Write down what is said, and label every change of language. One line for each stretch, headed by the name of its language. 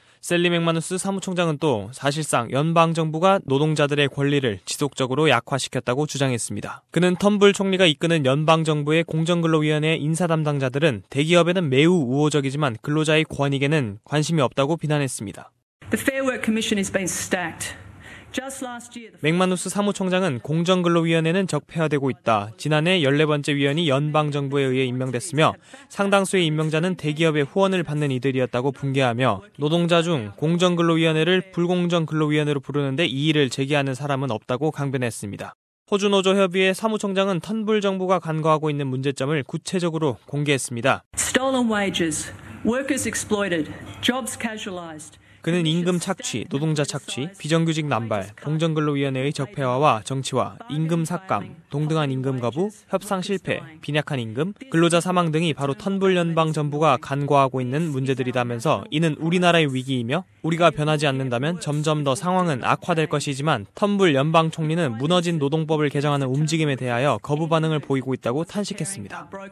Korean: 셀리 맥마누스 사무총장은 또 사실상 연방정부가 노동자들의 권리를 지속적으로 약화시켰다고 주장했습니다. 그는 턴불 총리가 이끄는 연방정부의 공정근로위원회 인사 담당자들은 대기업에는 매우 우호적이지만 근로자의 권익에는 관심이 없다고 비난했습니다.
English: The Fair Work Commission has been stacked.
Korean: 맥마누스 사무총장은 공정근로위원회는 적폐화되고 있다. 지난해 14번째 위원이 연방정부에 의해 임명됐으며 상당수의 임명자는 대기업의 후원을 받는 이들이었다고 분개하며 노동자 중 공정근로위원회를 불공정근로위원회로 부르는데 이의를 제기하는 사람은 없다고 강변했습니다. 호주노조협의회 사무총장은 턴불 정부가 간과하고 있는 문제점을 구체적으로 공개했습니다.
English: Stolen wages, workers exploited, jobs casualized.
Korean: 그는 임금 착취, 노동자 착취, 비정규직 남발, 공정근로위원회의 적폐화와 정치화, 임금 삭감, 동등한 임금 거부, 협상 실패, 빈약한 임금, 근로자 사망 등이 바로 턴불 연방 정부가 간과하고 있는 문제들이다면서 이는 우리나라의 위기이며 우리가 변하지 않는다면 점점 더 상황은 악화될 것이지만 턴불 연방 총리는 무너진 노동법을 개정하는 움직임에 대하여 거부 반응을 보이고 있다고 탄식했습니다.